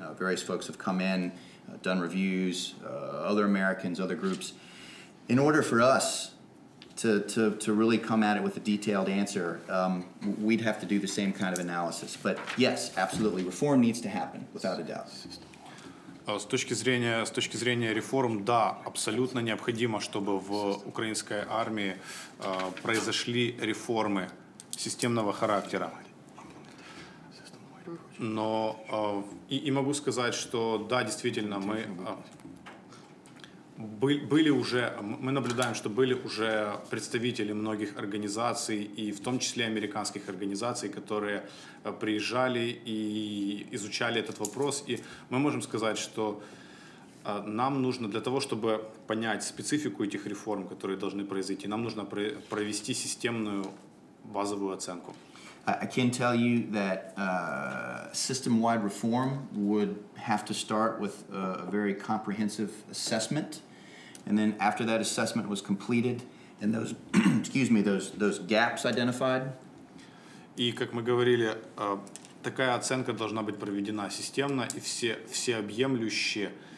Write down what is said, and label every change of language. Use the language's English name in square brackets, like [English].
[English] Various folks have come in, done reviews, other Americans, other groups. In order for us to really come at it with a detailed answer, we'd have to do the same kind of analysis. But yes, absolutely, reform needs to happen, without a doubt. [Russian] С точки зрения реформ, да, абсолютно необходимо, чтобы в украинской армии произошли реформы системного характера. Но и могу сказать, что да, действительно, мы были уже, мы наблюдаем, что были уже представители многих организаций, и в том числе американских организаций, которые приезжали и изучали этот вопрос. И мы можем сказать, что нам нужно для того, чтобы понять специфику этих реформ, которые должны произойти, нам нужно провести системную базовую оценку. [English] I can tell you that system-wide reform would have to start with a very comprehensive assessment, and then after that assessment was completed, and those, excuse me, those gaps identified. [Russian] И как мы говорили, такая оценка должна быть проведена системно и всеобъемлющая.